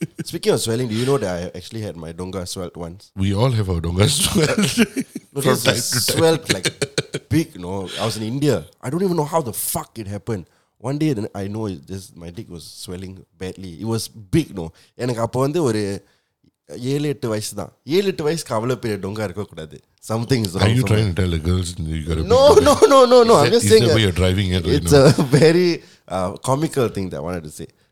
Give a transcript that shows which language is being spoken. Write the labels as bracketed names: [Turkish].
[English] Speaking of swelling, do you know that I actually had my donga swelled once? We all have our donga swelled. From time to time. Swelled like big, you know. I was in India. I don't even know how the fuck it happened. One day, I know just my dick was swelling badly. It was big, you know. [Tamil] எனக்கு அப்போ வந்து ஒரு 7-8 வயசு தான். 7-8 வயசுக்கு அவ்வளோ பெரிய டொங்கா இருக்கக்கூடாது. [English] Something is wrong. Are you trying to tell the girls you got a No. I'm just saying the way you're driving it. It's a very comical thing that I wanted to say.